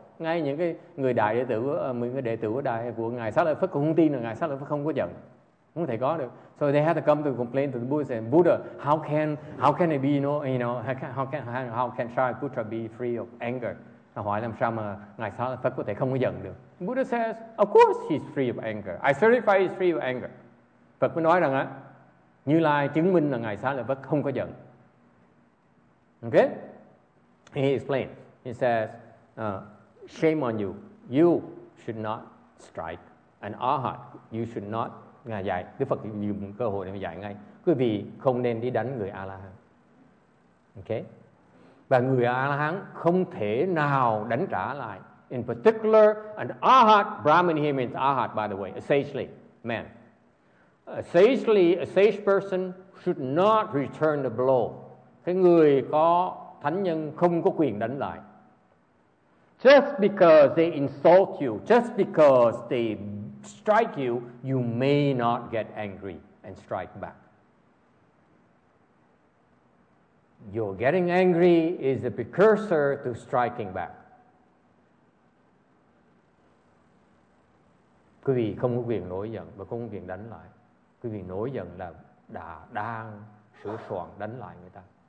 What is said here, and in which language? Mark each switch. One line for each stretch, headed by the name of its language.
Vietnamese: ngay những cái người đại đệ tử, những cái đệ tử đại của ngài Xá Lợi Phất cũng không tin là ngài Xá Lợi Phất không có giận, không thể có được.
English: So they had to come to complain to the Buddha, and Buddha, how can it be, how can Shariputra be free of anger?
Vietnamese: Nó hỏi làm sao mà ngài Xá Lợi Phất có thể không có giận được.
English: Buddha says, of course he's free of anger. I certify he's free of anger.
Vietnamese: Phật mới nói rằng á, Như Lai chứng minh là ngài Xá Lợi Phất không có giận.
English: Okay? He explained. He says, shame on you. You should not strike an arhat. You should not.
Vietnamese: Ngài dạy, Đức Phật dùng cơ hội để dạy ngay. Quý vị không nên đi đánh người A-la-hán.
English: Okay?
Vietnamese: Và người A-la-hán không thể nào đánh trả lại.
English: In particular, an arhat, Brahmin here means arhat, by the way, a sagely man. A sage person should not return the blow.
Vietnamese: Cái người có thánh nhân không có quyền đánh lại.
English: Just because they insult you, just because they strike you, you may not get angry and strike back. Your getting angry is a precursor to striking back.
Vietnamese: Quý vị không có quyền nổi giận và không có quyền đánh lại. Quý vị nổi giận là đã đang sửa soạn đánh lại người ta.